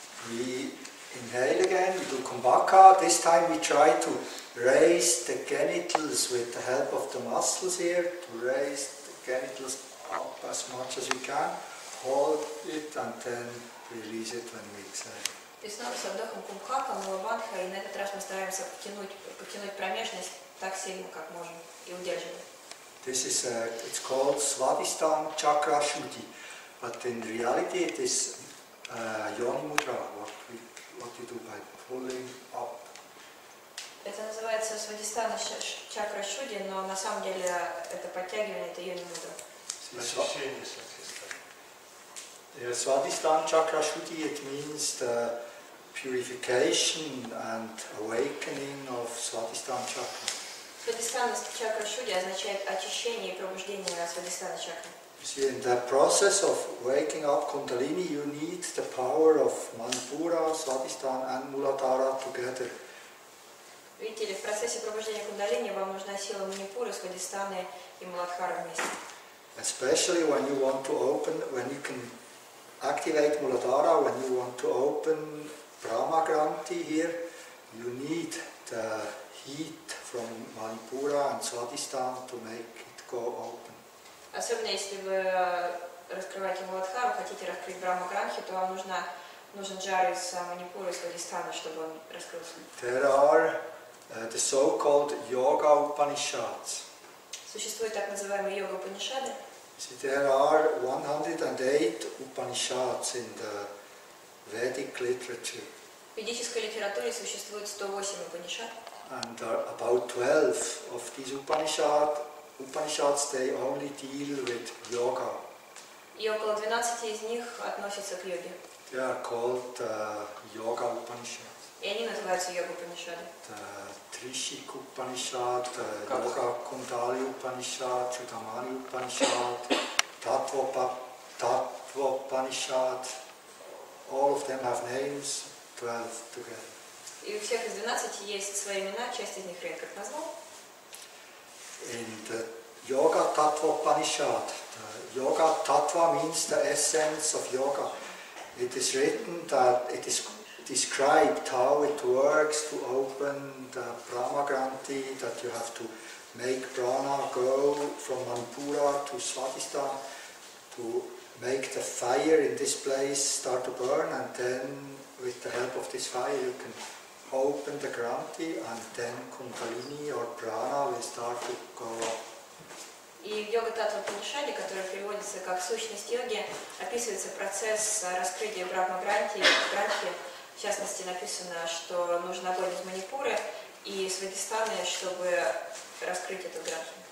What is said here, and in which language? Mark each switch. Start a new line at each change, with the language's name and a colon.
English: We inhale again, we do kumbhaka. This time we try to raise the genitals with the help of the muscles here, to raise the genitals up as much as we can. Hold it and then release it when we exhale.
Russian: И снова с вдохом кумбхака, мула бандха, и на этот раз мы стараемся потянуть промежность так сильно, как можем, и удерживаем.
English: This is it's called Svadhisthana Chakra Shuddhi, but in reality it is Yoni Mudra, what you do by pulling up.
Russian: Это называется Svadhisthana Chakra Shuddhi, но на самом деле это подтягивание, это Yoni Mudra. Свадхистана.
English: Свадхистана Чакра Шудхи, it means the purification and awakening of Svadhisthana Chakra.
Russian: Свадхистанский чакра шуди означает очищение и пробуждение свадхистанской чакры.
English: You see, in the process of waking up Kundalini, you need the power of Manipura, Svadhisthana and Muladhara together.
Russian: Видите ли, в процессе пробуждения Кундалини вам нужна сила Манипуры, Свадхистаны и Муладхары вместе.
English: Especially when you want to open, when you can activate Muladhara, when you want to open Brahma Granthi here, you need the heat from Manipura and Svadhisthana to make it go open.
Russian: Особенно если вы раскрываете Муладхару, хотите раскрыть Брахма Гранхи, то вам нужен жар из Манипуры и Свадхистана, чтобы он раскрылся.
English: There are the so-called yoga Upanishads.
Russian: Существуют так называемые йога Упанишады.
English: See, there are 108 Upanishads in the Vedic literature.
Russian: В ведической литературе существует 108 Упанишад.
English: And about 12 of these Upanishads, they only deal with yoga.
Russian: И около 12 из них относятся к йоге.
English: They are called yoga Upanishads.
Russian: И они называются йога Упанишады.
English: The Trishik Upanishad, Yoga Kundali Upanishad, Chudamani Upanishad, Tattva Upanishad. all of them have names, 12 together.
Russian: И у всех из 12 есть свои имена, часть из них Рен как назвал.
English: In the Yoga Tattva Upanishad, the Yoga Tattva means the essence of yoga. It is written that it is described how it works to open the prana granti, that you have to make prana go from Manipura to Swadhisthana, to make the fire in this place start to burn, and then with the help of this fire you can open the granti, and then kundalini or prana will start to go up.
Russian: И в йога-таттва Панишаде, которая приводится как сущность йоги, описывается процесс раскрытия брахма-гранти, в частности написано, что нужно огонь из Манипуры и Свадхистаны, чтобы раскрыть эту гранти.